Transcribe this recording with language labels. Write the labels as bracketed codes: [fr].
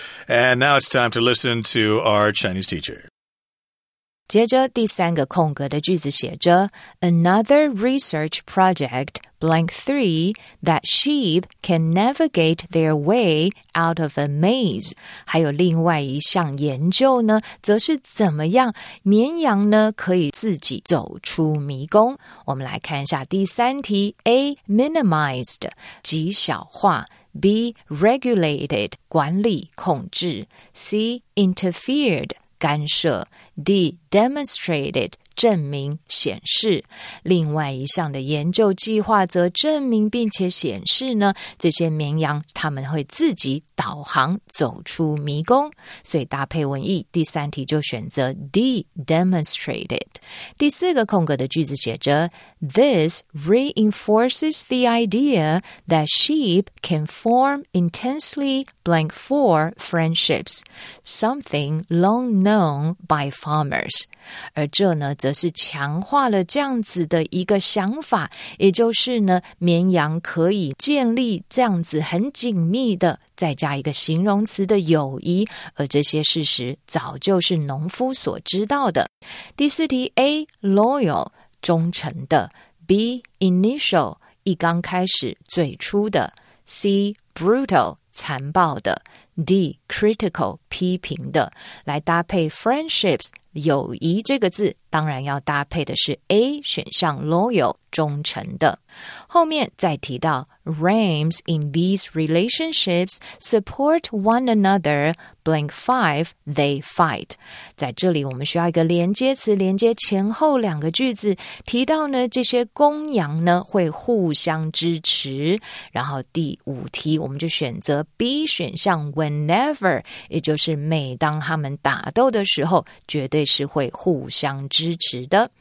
[en] And now it's time to listen to our Chinese teacher. [zh] 接着第三个空格的句子写着 [en] Another research project, blank 3, that sheep can navigate their way out of a maze. [zh] 还有另外一项研究呢，则是怎么样绵羊呢可以自己走出迷宫。我们来看一下第三题 A. Minimized, 极小化 B. Regulated, 管理控制 C. Interfered,干涉 D. Demonstrated 证明显示另外一项的研究计划则证明并且显示呢这些绵羊他们会自己导航走出迷宫所以搭配文意第三题就选择 D. Demonstrated 第四个空格的句子写着 [en] This reinforces the idea that sheep can form intensely blank four friendships, something long known by farmers. [zh] 而这呢，则是强化了这样子的一个想法，也就是呢，绵羊可以建立这样子很紧密的再加一个形容词的友谊，而这些事实早就是农夫所知道的。第四题 A. Loyal 忠诚的 B. Initial 一刚开始最初的 C. Brutal 残暴的 D. Critical 批评的，来搭配 friendships 友谊这个字，当然要搭配的是 A 选项 Loyal 忠诚的。后面再提到 [en] Rames in these relationships support one another, blank five, they fight. [zh] 在这里我们需要一个连接词，连接前后两个句子，提到呢这些公羊呢会互相支持。然后第五题我们就选择 B 选项 whenever, 也就是每当他们打斗的时候绝对是会互相支持的。